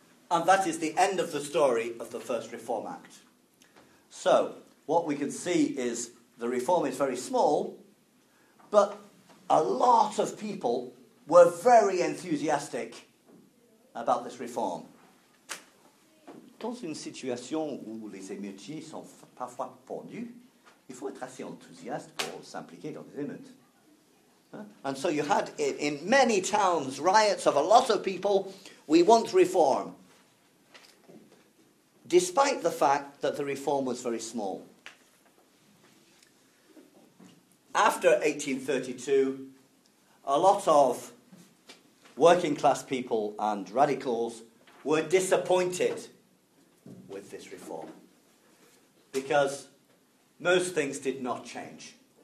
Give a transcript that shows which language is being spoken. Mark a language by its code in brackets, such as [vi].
[en] And that is the end of the story of the First Reform Act. So, what we can see is the reform is very small, but a lot of people were very enthusiastic about this reform. [fr] Dans une situation où les émeutiers sont parfois pendus, il faut être assez enthousiaste pour s'impliquer dans les émeutes. [en] And so you had in many towns riots of a lot of people, we want reform. Despite the fact that the reform was very small. After 1832, a lot of working class people and radicals were disappointed with this reform because most things did not change.